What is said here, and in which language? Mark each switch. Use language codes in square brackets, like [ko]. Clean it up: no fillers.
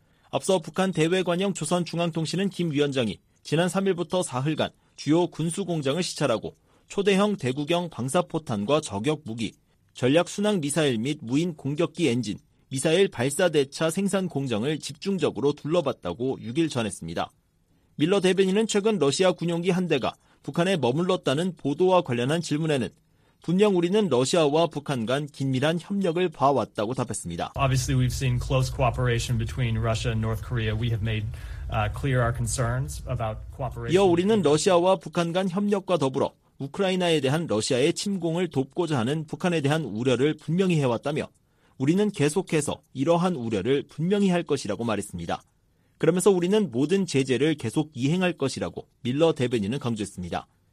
[ko] 앞서 북한 대외관영 조선중앙통신은 김 위원장이 지난 3일부터 4일간 주요 군수공장을 시찰하고 초대형 대구경 방사포탄과 저격무기, 전략순항미사일 및 무인 공격기 엔진, 미사일 발사대차 생산 공정을 집중적으로 둘러봤다고 6일 전했습니다. 밀러 대변인은 최근 러시아 군용기 한 대가 북한에 머물렀다는 보도와 관련한 질문에는 분명 우리는 러시아와 북한 간 긴밀한 협력을 봐왔다고 답했습니다. [en] Obviously, we've seen close cooperation between Russia and North Korea. We have made clear our concerns about cooperation. [ko] 이어 우리는 러시아와 북한 간 협력과 더불어 우크라이나에 대한 러시아의 침공을 돕고자 하는 북한에 대한 우려를 분명히 해왔다며 우리는 계속해서 이러한 우려를 분명히 할 것이라고 말했습니다. 그러면서 우리는 모든 제재를 계속 이행할 것이라고 밀러 대변인은 강조했습니다.